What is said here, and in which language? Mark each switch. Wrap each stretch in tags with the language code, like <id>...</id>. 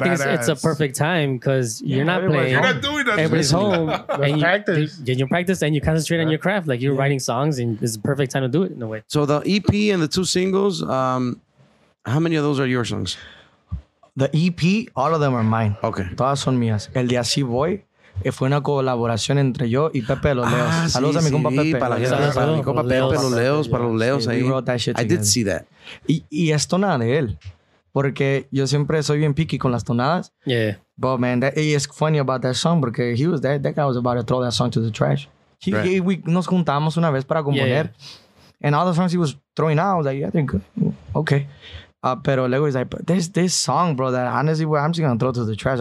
<en>But I think it's a perfect time because you're not playing. You're not doing that. Everybody's home. And practice. You practice and you concentrate on your craft. Like, you're writing songs and it's a perfect time to do it in a way. So the EP and the two singles, how many of those are your songs? The EP, all of them are mine. Okay.</en> <es>Todas son mías. El de Así Voy fue una colaboración entre yo y Pepe Los Leos. Saludos a mi compa Pepe. Para mi compa Pepe Los Leos.</es> <en>I did see that.</en> <es>Y es tonada de él. Porque yo siempre soy bien picky con las tonadas.</es> <en>Yeah. But man, it's funny about that song because he was there. That guy was about to throw that song to the trash. We</en> <es>nos juntamos una vez para componer.</es> <en>And all the songs he was throwing out, I was like, yeah, they're good. Okay.</en> <es>Pero luego</es> <en>he's like, but this song, bro, that honestly, bro, I'm just going to throw to the trash.</en>